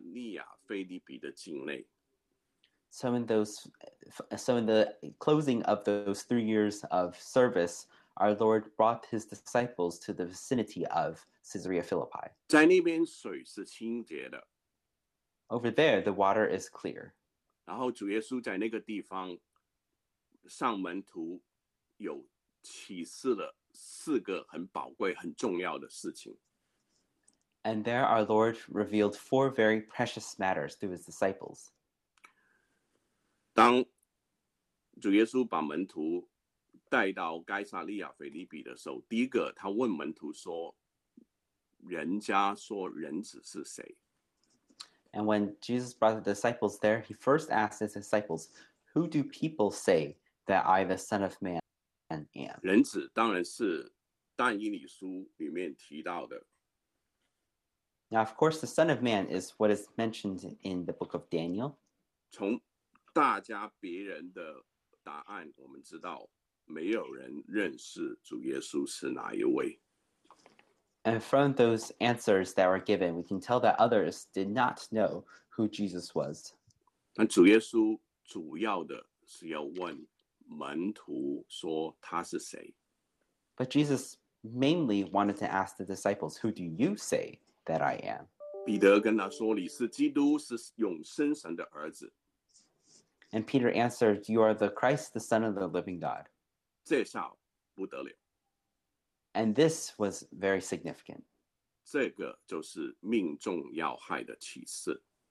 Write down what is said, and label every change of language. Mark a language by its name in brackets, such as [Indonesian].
[Chinese] 所以当主耶稣在他三年服事的最后阶段，把门徒带到该撒利亚腓利比的境内。 [English] So in the closing of those 3 years of service, our Lord brought his disciples to the vicinity of Caesarea Philippi. [Chinese] 在那边水是清洁的。 [English] Over there, the water is clear. [Chinese] 然后主耶稣在那个地方上门徒。有启示了四个很宝贵、很重要的事情。 [English] And there our Lord revealed four very precious matters to his disciples. [Chinese] 当主耶稣把门徒带到该撒利亚腓立比的时候，第一个他问门徒说，人家说人子是谁？ [English] And when Jesus brought the disciples there, he first asked his disciples, "Who do people say that I, the Son of Man, am?" [Chinese] 人子当然是但以理书里面提到的。 [English] Now, of course, the Son of Man is what is mentioned in the book of Daniel. [Chinese] 从大家别人的答案，我们知道没有人认识主耶稣是哪一位。 [English] And from those answers that were given, we can tell that others did not know who Jesus was. [Chinese] 但主耶稣主要的是要问门徒说他是谁。 [English] But Jesus mainly wanted to ask the disciples, "Who do you say that I am?" [Chinese] 彼得跟他说，你是基督，是永生神的儿子。 [English] And Peter answered, "You are the Christ, the Son of the living God." [Chinese] 这下不得了。 [English] And this was very significant. [Chinese] 这个就是命中要害的启示。